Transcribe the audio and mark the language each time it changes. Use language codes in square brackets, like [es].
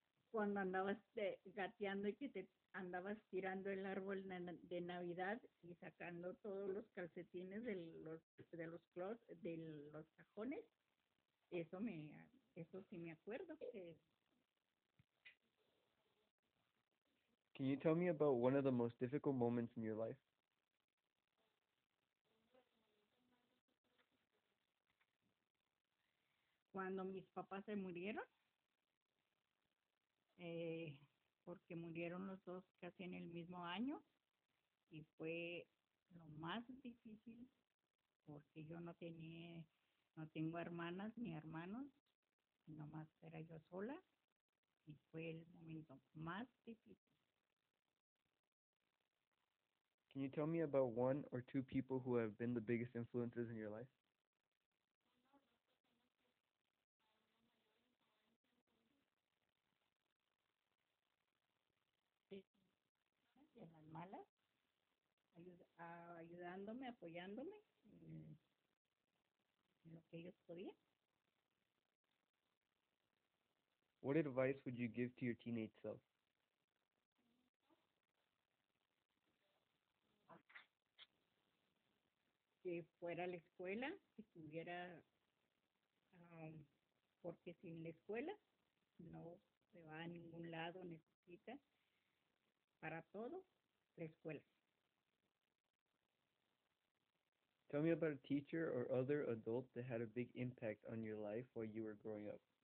[es] Cuando andabas gateando y que te andabas tirando el árbol de Navidad y sacando todos los calcetines de los cajones, eso sí me acuerdo que. [en] Can you tell me about one of the most difficult moments in your life? [es] Cuando mis papás se murieron. Porque murieron los dos casi en el mismo año y fue lo más difícil porque yo no tengo hermanas ni hermanos, nomás era yo sola y fue el momento más difícil. [en] Can you tell me about one or two people who have been the biggest influences in your life? [es] En las malas, ayudándome, apoyándome en lo que ellos podían. [en] What advice would you give to your teenage self? [es] Que fuera a la escuela, que tuviera, porque sin la escuela no se va a ningún lado, necesita para todo. [en] Tell me about a teacher or other adult that had a big impact on your life while you were growing up.